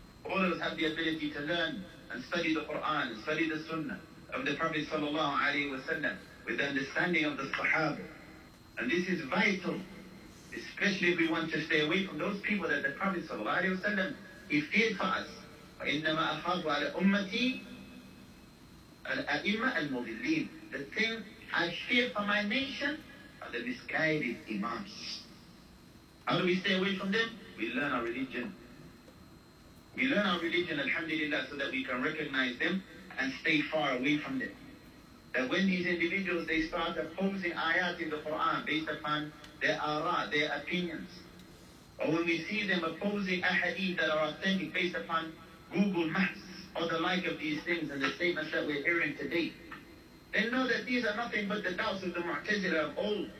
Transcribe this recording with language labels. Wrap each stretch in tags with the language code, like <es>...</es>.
<en>All of us have the ability to learn and study the Quran, study the Sunnah of the Prophet sallallahu alayhi wa sallam with the understanding of the Sahaba. And this is vital, especially if we want to stay away from those people that the Prophet sallallahu alayhi wa sallam, he feared for us.</en> <ar>وَإِنَّمَا أَخَافُ عَلَى أُمَّتِي الأئمة المضلين.</ar> <en>The thing I fear for my nation are the misguided imams. How do we stay away from them? We learn our religion. We learn our religion, alhamdulillah, so that we can recognize them and stay far away from them. That when these individuals, they start opposing ayat in the Quran based upon their ara, their opinions, or when we see them opposing ahadith that are authentic based upon Google Maps, or the like of these things and the statements that we're hearing today, then know that these are nothing but the doubts of the Mu'tazila of old.</en>